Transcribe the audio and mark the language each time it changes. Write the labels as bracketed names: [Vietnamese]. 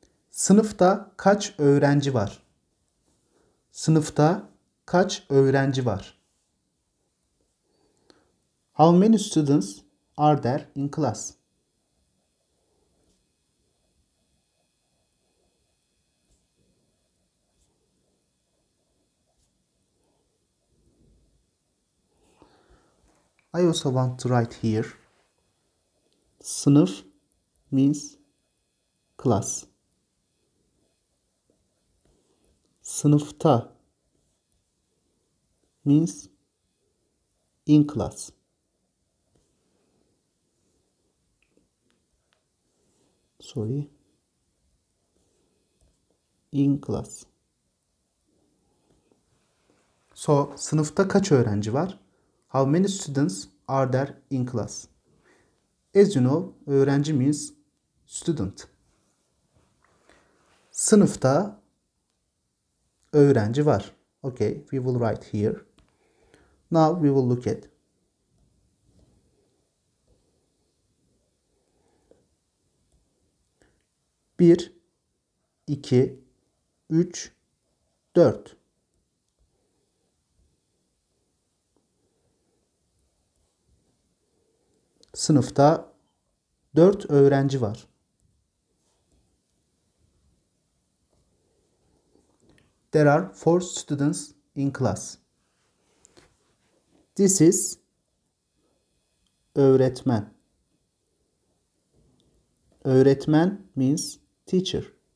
[Turkish] Sınıfta kaç öğrenci var? Sınıfta kaç öğrenci var? [English] How many students are there in class? I also want to write here. Sınıf means class. Sınıfta means in class. Sorry. In class. [Turkish] So, sınıfta kaç öğrenci var? [English] How many students are there in class? As you know, öğrenci means student. [Turkish] Sınıfta öğrenci var. [English] Okay, we will write here. Now we will look at. [Turkish] Bir, iki, üç, dört. Sınıfta dört öğrenci var. [English] There are four students in class. This is öğretmen. Öğretmen means teacher.